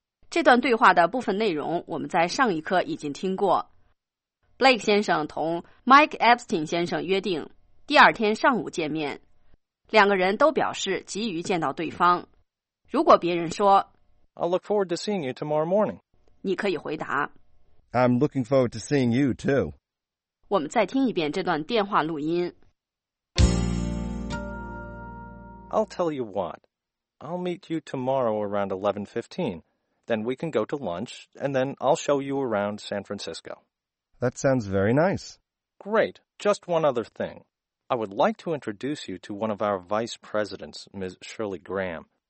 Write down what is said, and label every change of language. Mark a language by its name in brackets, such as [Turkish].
[Chinese] 这段对话的部分内容我们在上一课已经听过。 Blake 先生同 Mike Epstein 先生约定第二天上午见面，两个人都表示急于见到对方。如果别人说 [English] I'll look forward to seeing you tomorrow morning. [Chinese] 你可以回答 [English] I'm looking forward to seeing you too. [Chinese] 我们再听一遍这段电话录音。 [English] I'll tell you what. I'll meet you tomorrow around 11:15. Then we can go to lunch, and then I'll show you around San Francisco. That sounds very nice. Great. Just one other thing. I would like to introduce you to one of our vice presidents, Ms. Shirley Graham.